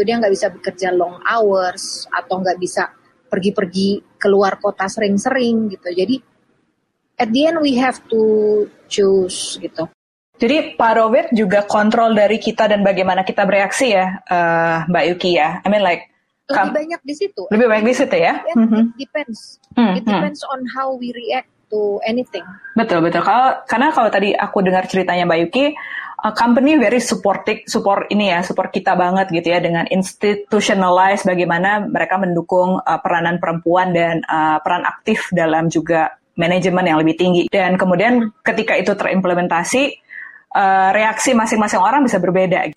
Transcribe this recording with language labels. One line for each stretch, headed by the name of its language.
Indonesian: Dia gak bisa bekerja
English: long hours
Indonesian: atau gak bisa pergi-pergi keluar kota sering-sering gitu. Jadi
English: at the end we have to choose
Indonesian: gitu. Jadi
English: part of it
Indonesian: juga kontrol dari kita dan bagaimana kita bereaksi ya, Mbak Yuki ya.
English: I mean like
Indonesian: Lebih banyak di situ ya.
English: It depends on how we react to anything.
Indonesian: Betul. Karena kalau tadi aku dengar ceritanya Mbak Yuki,
English: company very support
Indonesian: kita banget gitu ya, dengan institutionalize bagaimana mereka mendukung peranan perempuan dan peran aktif dalam juga manajemen yang lebih tinggi. Dan kemudian ketika itu terimplementasi, reaksi masing-masing orang bisa berbeda.